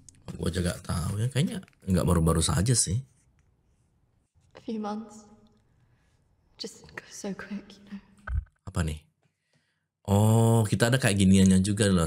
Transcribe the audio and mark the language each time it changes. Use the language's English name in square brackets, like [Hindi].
[Indonesian] Gue juga tahu ya, kayaknya nggak baru-baru saja sih. [English] A few months, just so quick, you know. [Indonesian] Apa nih? Oh, kita ada kayak giniannya juga loh.